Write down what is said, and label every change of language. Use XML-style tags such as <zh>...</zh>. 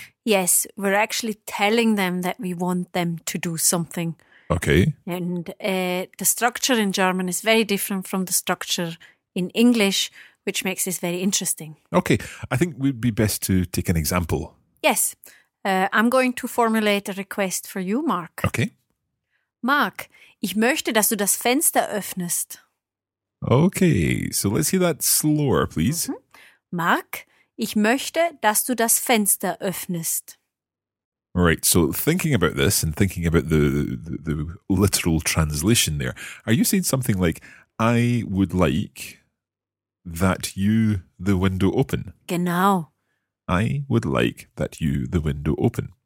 <en>Yes, we're actually telling them that we want them to do something. Okay. And the structure in German is very different from the structure in English, which makes this very interesting. Okay, I think we'd be best to take an example. Yes, I'm going to formulate a request for you, Mark. Okay.</en> <de>Mark, ich möchte, dass du das Fenster öffnest.</de> <en>Okay, so let's hear that slower, please. Mm-hmm.</en> <de>Mark, ich möchte, dass du das Fenster öffnest.</de> <en>Right, so thinking about this and thinking about the literal translation there, are you saying something like, I would like that you the window open?</en> <de>Genau.</de> <en>I would like that you the window open.</en>